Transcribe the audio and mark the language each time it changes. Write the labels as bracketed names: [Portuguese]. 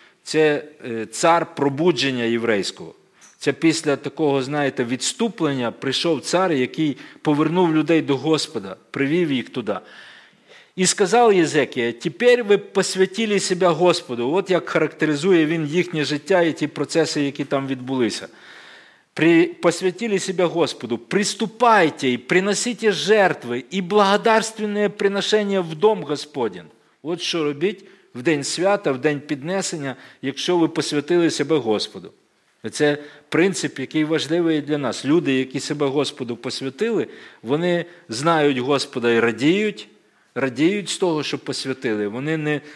[Ukrainian] Це цар пробудження єврейського. Це після такого, знаєте, відступлення прийшов цар, який повернув людей до Господа, привів їх туди. І сказав Єзекія, тепер ви посвятили себе Господу. От як характеризує він їхнє життя і ті процеси, які там відбулися. [Russian] Посвятили себя Господу, приступайте и приносите жертвы и благодарственные приношения в дом Господень. [Ukrainian] Вот что робить в день свята, в день піднесення, якщо ви посвятили себе Господу. Це принцип, який важливий для нас. Люди, які себе Господу посвятили, вони знають Господа і радіють з того, що посвятили.